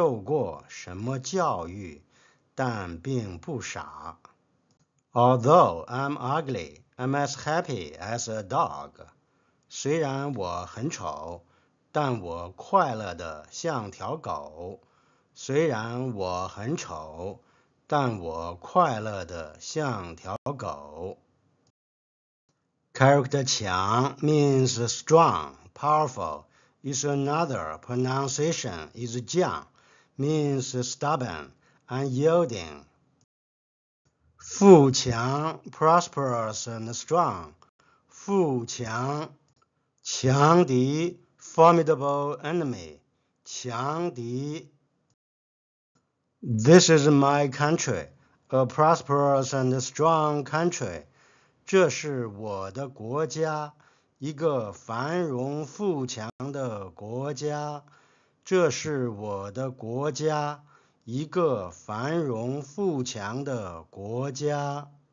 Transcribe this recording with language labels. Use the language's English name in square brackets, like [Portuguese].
[Chinese] 我虽然没受过什么教育, 但并不傻. [English] Although I'm ugly, I'm as happy as a dog. [Chinese] 虽然我很丑, 但我快乐的像条狗. 虽然我很丑, 但我快乐的像条狗. [English] Character 强 means strong, powerful, is another pronunciation is 将, means stubborn, unyielding. 富强, prosperous and strong. 富强, 强敌, formidable enemy, 强敌. This is my country, a prosperous and strong country. [Chinese] 这是我的国家, 一个繁荣富强的国家. 这是我的国家, 一个繁荣富强的国家.